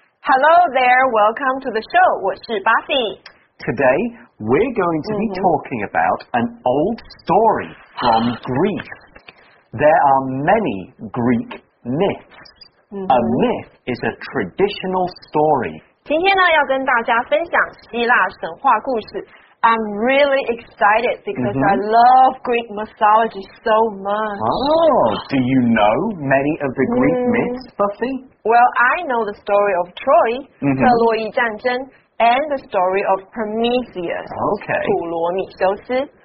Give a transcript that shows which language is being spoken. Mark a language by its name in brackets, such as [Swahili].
[English] Hello there, welcome to the show. [Chinese] 我是 Buffy. [English] Today, we're going to be talking about an old story from Greece. There are many Greek myths. A myth is a traditional story. [Chinese] 今天呢，要跟大家分享希腊神话故事。 [English] I'm really excited because I love Greek mythology so much. Oh, do you know many of the Greek myths, Buffy? Well, I know the story of Troy, 特洛伊战争, and the story of Prometheus, 普罗米修斯.